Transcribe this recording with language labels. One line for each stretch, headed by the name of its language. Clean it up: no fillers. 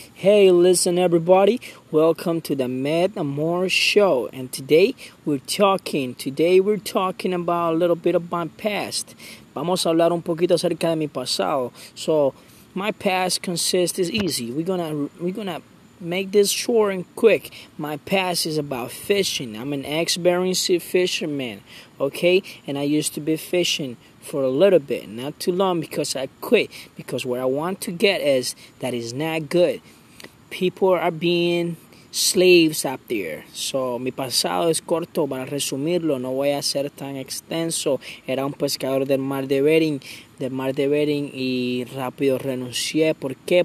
English: Hey, listen everybody, welcome to the Metamore Show. And today we're talking about a little bit of my past.
Spanish: Vamos a hablar un poquito acerca de mi pasado.
English: So, my past consists, is easy, we're gonna make this short and quick. My past is about fishing. I'm an ex-Bering Sea fisherman, okay? And I used to be fishing for a little bit, not too long, because I quit. Because what I want to get is that it's not good. People are being slaves up there.
Spanish: So, mi pasado es corto, para resumirlo, no voy a ser tan extenso. Era un pescador del mar de Bering y rápido renuncié. ¿Por qué?